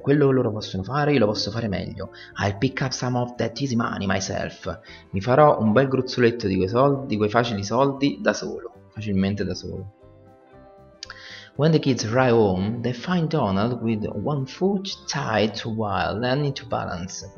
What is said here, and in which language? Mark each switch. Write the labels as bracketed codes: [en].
[it] Quello che loro possono fare, io lo posso fare meglio. [en] I'll pick up some of that easy money myself. [it] Mi farò un bel gruzzoletto di quei soldi, di quei facili soldi da solo, facilmente da solo. [en] When the kids arrive home, they find Donald with one foot tied to while learning to balance.